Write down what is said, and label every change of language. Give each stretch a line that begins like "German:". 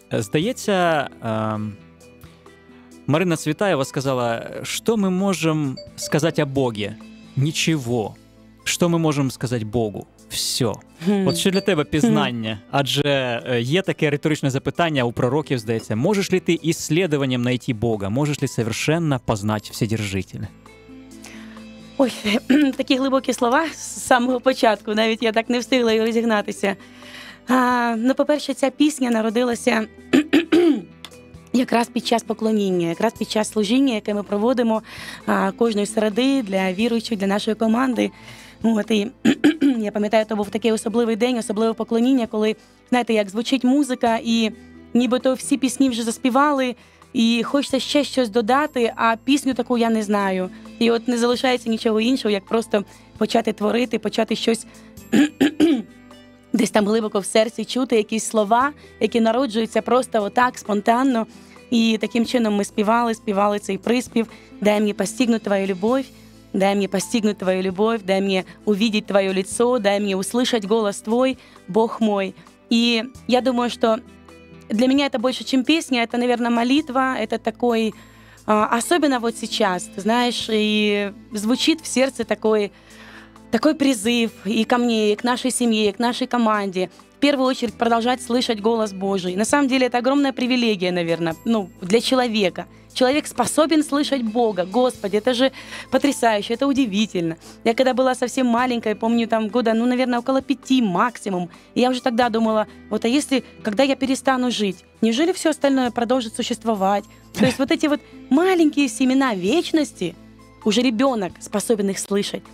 Ukrainian: Здається, Марина Цвітаєва сказала, що ми можемо сказати о Бозі? Нічого. Що ми можемо сказати Богу? Все. От що для тебе пізнання? Адже є таке риторичне запитання у пророків, здається. Можеш ли ти іслідуванням знайти Бога?
Russian: Можеш ли совершенно познати Вседержителя?
Ukrainian: Ой, такі глибокі слова з самого початку. Навіть я так не встигла його зігнатися. Ну, по-перше, ця пісня народилася якраз під час поклоніння, якраз під час служіння, яке ми проводимо кожної середи для віруючих, для нашої команди. От, і я пам'ятаю, то був такий особливий день, особливе поклоніння, коли, знаєте, як звучить музика, і нібито всі пісні вже заспівали, і хочеться ще щось додати, а пісню таку я не знаю. І от не залишається нічого іншого, як просто почати творити, почати щось десь там глибоко в серці чути, якісь слова, які народжуються просто отак, спонтанно. І таким чином ми співали, співали цей приспів «Дай мені постигнути твою любов». Дай мені постигнути твою любов, дай мені
Russian: увидеть
Ukrainian: твоє лицо, дай мені
Russian: услышать голос твой, Бог мой.
Ukrainian: І я думаю, що для мене це більше, ніж пісня, це, мабуть, молитва, це такий, особливо от зараз, ти знаєш, і звучить в серці такий призив і ко мені, і к нашій сім'ї, і к нашій команді. В першу чергу продовжувати
Russian: слышать голос Божий. На самом деле,
Ukrainian: це огромна привілегія, мабуть, ну, для чоловіка.
Russian: Человек способен слышать Бога. Господи, это же потрясающе, это удивительно. Я когда была совсем маленькая, помню, там года, ну, наверное, около 5 максимум, я уже тогда думала, вот, а если, когда я перестану жить, неужели все остальное продолжит существовать? То есть вот эти вот маленькие семена вечности, уже ребенок способен их слышать.